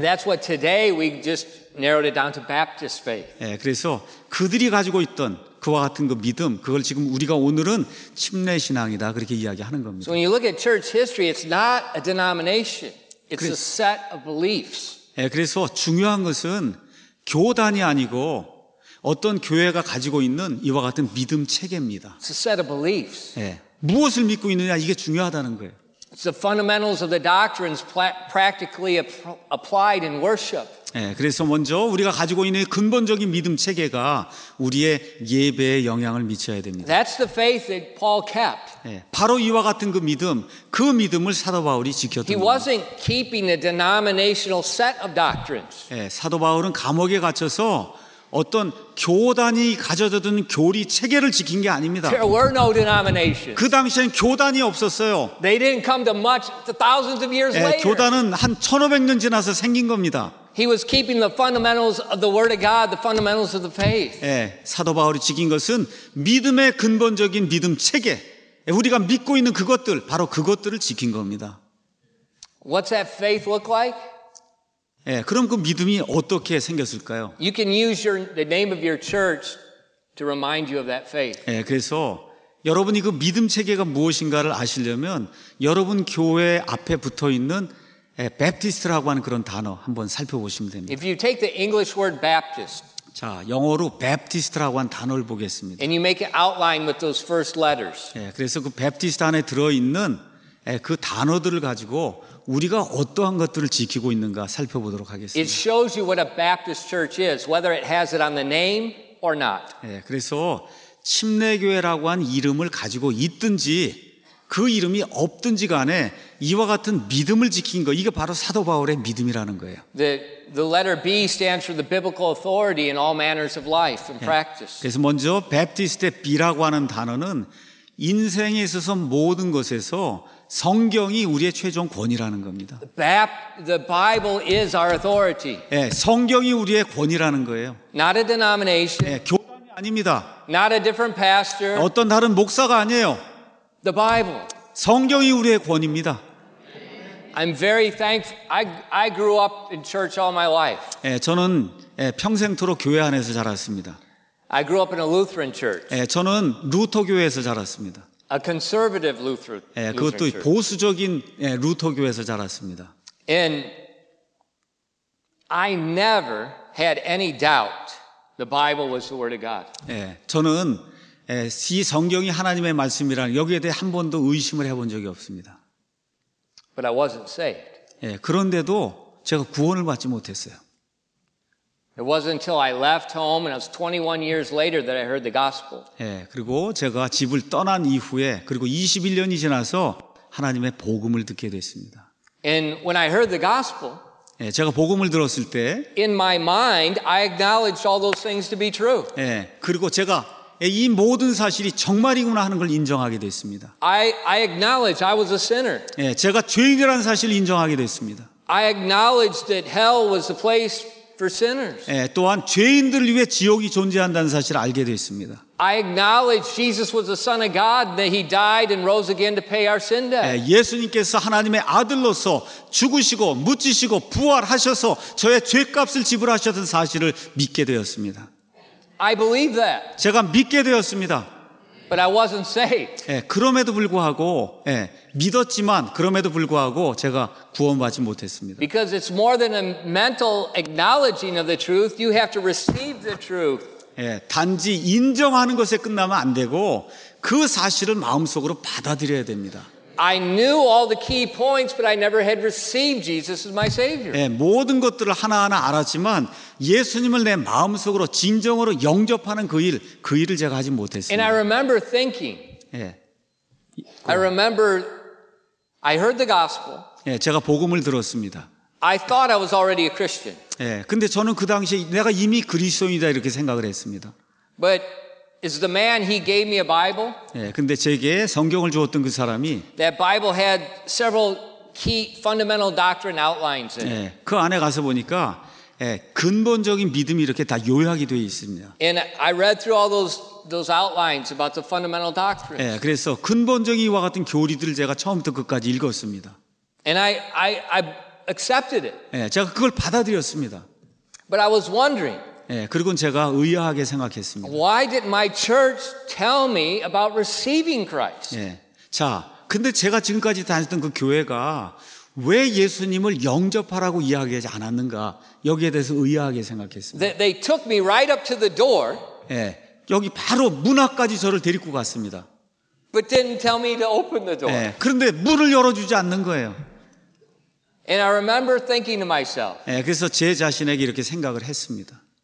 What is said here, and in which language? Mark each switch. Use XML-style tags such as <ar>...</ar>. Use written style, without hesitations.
<en>And that's what today we just narrowed it down to Baptist faith.</en> <ko>예, 그래서 그들이 가지고 있던 그와 같은 그 믿음 그걸 지금 우리가 오늘은 침례 신앙이다 그렇게 이야기하는 겁니다.</ko> <en>So when you look at church history, it's not a denomination. It's</en> <ko>그래,</ko> <en>a set of beliefs.</en> <ko>예, 그래서 중요한 것은 교단이 아니고 어떤 교회가 가지고 있는 이와 같은 믿음 체계입니다.</ko> <en>It's a set of beliefs.</en> <ko>예, 무엇을 믿고 있느냐 이게 중요하다는 거예요.</ko> <en>It's the fundamentals of the doctrines practically applied in worship.</en> <ko>예, 그래서 먼저 우리가 가지고 있는 근본적인 믿음 체계가 우리의 예배에 영향을 미쳐야 됩니다.</ko> <en>That's the faith that Paul kept.</en> <ko>예, 바로 이와 같은 그 믿음을 사도 바울이 지켰던 겁니다.</ko> <en>He wasn't keeping a denominational set of doctrines.</en> <ko>예, 사도 바울은 감옥에 갇혀서 어떤 교단이 가져다준 교리 체계를 지킨 게 아닙니다.</ko> <en>There were no denominations.</en> <ko>그 당시엔 교단이 없었어요.</ko> <en>They didn't come to much thousands of years later.</en> <ko>교단은 한 1500년 지나서 생긴 겁니다.</ko> <en>He was keeping the fundamentals of the word of God, the fundamentals of the faith.</en> <ko>예, 사도 바울이 지킨 것은 믿음의 근본적인 믿음 체계. 우리가 믿고 있는 그것들, 바로 그것들을 지킨 겁니다.</ko> <en>What's that faith look like?</en> <ko>예, 그럼 그 믿음이 어떻게 생겼을까요?</ko> <en>You can use your, the name of your church to remind you of that faith.</en> <ko>예, 그래서 여러분이 그 믿음 체계가 무엇인가를 아시려면 여러분 교회 앞에 붙어 있는 Baptist라고 하는 그런 단어 한번 살펴보시면 됩니다.</ko> <en>If you take the English word Baptist.</en> <ko>자, 영어로 Baptist라고 한 단어를 보겠습니다.</ko> <en>And you make an outline with those first letters.</en> <ko>예, 그래서 그 Baptist 안에 들어 있는 그 단어들을 가지고 우리가 어떠한 것들을 지키고 있는가 살펴보도록 하겠습니다.</ko> <en>It shows you what a Baptist church is, whether it has it on the name or not.</en> <ko>예, 그래서 침례교회라고 한 이름을 가지고 있든지 그 이름이 없든지 간에 이와 같은 믿음을 지킨 거, 이게 바로 사도 바울의 믿음이라는 거예요.</ko> <en>The letter B stands for the biblical authority in all manners of life and practice.</en> <ko>예, 그래서 먼저 Baptist의 B라고 하는 단어는 인생에 있어서 모든 것에서 성경이 우리의 최종 권위라는 겁니다.</ko> <en>The Bible is our authority.</en> <ko>예, 성경이 우리의 권위라는 거예요.</ko> <en>Not a denomination.</en> <ko>예, 교단이 아닙니다.</ko> <en>Not a different pastor.</en> <ko>어떤 다른 목사가 아니에요.</ko> <en>The Bible.</en> <ko>성경이 우리의 권위입니다.</ko> <en>I'm very thankful. I grew up in church all my life.</en> <ko>예, 저는 평생토록 교회 안에서 자랐습니다.</ko> <en>I grew up in a Lutheran church.</en> <ko>예, 저는 루터 교회에서 자랐습니다.</ko> <en>A conservative Lutheran church.</en> <ko>예, 그것도 보수적인 예, 루터 교회에서 자랐습니다.</ko> <en>And I never had any doubt the Bible was the word of God.</en> <ko>예, 저는 이 성경이 하나님의 말씀이란 여기에 대해 한 번도 의심을 해본 적이 없습니다.</ko> <en>But I wasn't saved.</en> <ko>예, 그런데도 제가 구원을 받지 못했어요.</ko> <en>It wasn't until I left home and I was 21 years later that I heard the gospel.</en> <ko>예, 그리고 제가 집을 떠난 이후에 그리고 21년이 지나서 하나님의 복음을 듣게 됐습니다.</ko> <en>And when I heard the gospel,</en> <ko>예, 제가 복음을 들었을 때</ko> <en>in my mind I acknowledged all those things to be true.</en> <ko>예, 그리고 제가 이 모든 사실이 정말이구나 하는 걸 인정하게 됐습니다.</ko> <en>I acknowledge I was a sinner.</en> <ko>예, 제가 죄인이라는 사실을 인정하게 됐습니다.</ko> <en>I acknowledged that hell was the place for sinners.</en> <ko>예, 또한 죄인들을 위해 지옥이 존재한다는 사실을 알게 되었습니다.</ko> <en>I acknowledge Jesus was the Son of God that he died and rose again to pay our sin debt.</en> <ko>예, 예수님께서 하나님의 아들로서 죽으시고 묻히시고 부활하셔서 저의 죄값을 지불하셨던 사실을 믿게 되었습니다.</ko> <en>I believe that.</en> <ko>제가 믿게 되었습니다.</ko> <en>But I wasn't saved.</en> <ko>예, 그럼에도 불구하고 예, 믿었지만 그럼에도 불구하고 제가 구원받지 못했습니다.</ko> <en>Because it's more than a mental acknowledging of the truth. You have to receive the truth.</en> <ko>예, 단지 인정하는 것에 끝나면 안 되고 그 사실을 마음속으로 받아들여야 됩니다.</ko> <en>I knew all the key points, but I never had received Jesus as my Savior.</en> <ko>예, 모든 것들을 하나하나 알았지만 예수님을 내 마음속으로 진정으로 영접하는 그 일을 제가 하지 못했어요.</ko> <en>And I remember thinking.</en> <ko>예.</ko> <en>I remember I heard the gospel.</en> <ko>예, 제가 복음을 들었습니다.</ko> <en>I thought I was already a Christian.</en> <ko>예, 근데 저는 그 당시에 내가 이미 그리스도인이다 이렇게 생각을 했습니다.</ko> <en>But is the man he gave me a Bible?</en> <ko>예, 근데 제게 성경을 주었던 그 사람이</ko> <en>that Bible had several key fundamental doctrine outlines in it.</en> <ko>예, 그 안에 가서 보니까 예, 근본적인 믿음이 이렇게 다 요약이 되어 있습니다.</ko> <en>And I read through all those outlines about the fundamental doctrines.</en> <ko>예, 그래서 근본적인 이와 같은 교리들을 제가 처음부터 끝까지 읽었습니다.</ko> <en>And I accepted it.</en> <ko>예, 제가 그걸 받아들였습니다.</ko> <en>But I was wondering.</en> <ko>예, 그리고는 제가 의아하게 생각했습니다.</ko> <en>Why did my church tell me about receiving Christ?</en> <ko>예, 자, 근데 제가 지금까지 다녔던 그 교회가 왜 예수님을 영접하라고 이야기하지 않았는가 여기에 대해서 의아하게 생각했습니다.</ko> <en>They took me right up to the door.</en> <ko>예, 여기 바로 문 앞까지 저를 데리고 갔습니다.</ko> <en>But didn't tell me to open the door.</en> <ko>예, 그런데 문을 열어주지 않는 거예요.</ko> <en>And I remember thinking to myself.</en> <ko>예, 그래서 제 자신에게 이렇게 생각을 했습니다.</ko>